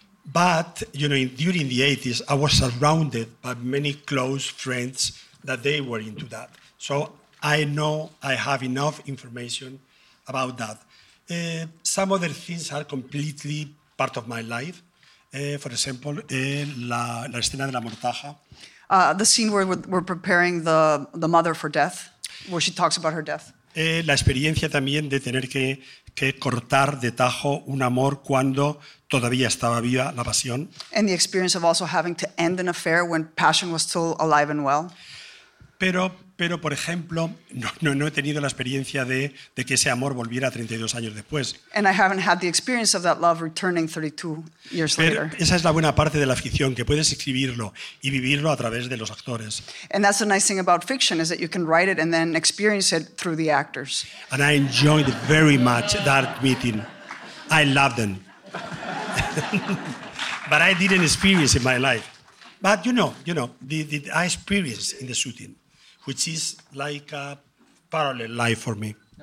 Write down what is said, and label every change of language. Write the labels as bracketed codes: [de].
[en] But, you know, during the 80s, I was surrounded by many close friends that they were into that. So I know I have enough information about that. Some other things are completely part of my life. For example, [es] la escena de la mortaja. [en] The scene where we're preparing the mother for death, where she talks about her death. [es] La experiencia también de tener que cortar de tajo un amor cuando todavía estaba viva la pasión. [en] And the experience of also having to end an affair when passion was still alive and well. [es] Pero por ejemplo, no he tenido la experiencia de que ese amor volviera 32 años después. [en] And I haven't had the experience of that love returning 32 years [es] Pero [en] later. [es] Esa es la buena parte de la ficción, que puedes escribirlo y vivirlo a través de los actores. [en] And that's the nice thing about fiction, is that you can write it and then experience it through the actors. And I enjoyed very much that meeting. I loved them. But I didn't experience in my life. But you know, I experienced in the shooting, which is like a parallel life for me.